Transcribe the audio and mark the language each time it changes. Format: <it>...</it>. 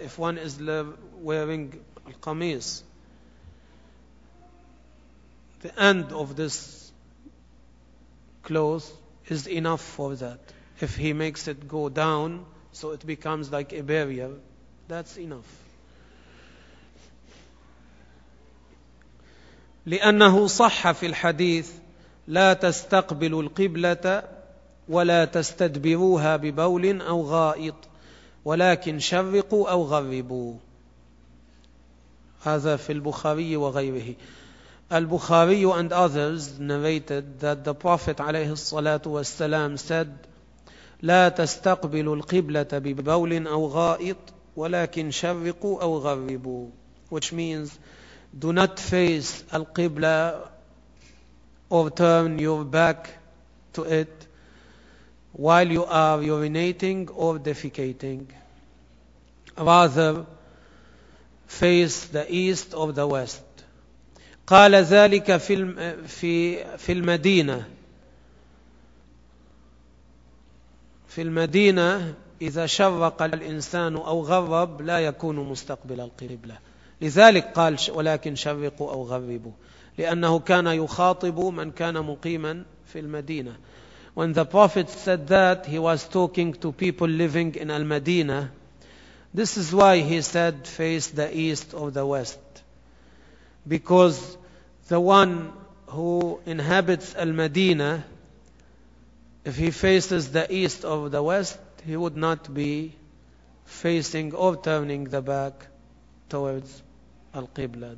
<en>If one is wearing al-qamis, the end of this clothes is enough for that. If he makes it go down so it becomes like a barrier, that's enough.</en> <ar>لأنه صح في الحديث لا تستقبلوا القبلة ولا تستدبروها ببول أو غائط ولكن شرقوا أو غربوا. هذا في البخاري وغيره.</ar> <en>البخاري and others narrated that the Prophet</en> <ar>عليه الصلاة والسلام</ar> <en>said</en> <ar>لا تستقبلوا القبلة ببول أو غائط ولكن شرقوا أو غربوا,</ar> <en>which means do not face al-qibla or turn your back to it while you are urinating or defecating. Rather, face the east or the west.</en> <ar>قال ذلك في المدينة. في المدينة إذا شرق الإنسان أو غرب لا يكون مستقبل القبلة. لذلك قال ولكن شرقوا أو غربوا, لأنه كان يخاطب من كان مقيما في المدينة.</ar> <en>When the Prophet said that, he was talking to people living in Al-Madinah. This is why he said face the east or the west, because the one who inhabits Al-Madinah, if he faces the east or the west, he would not be facing or turning the back towards Al-Qibla.</en>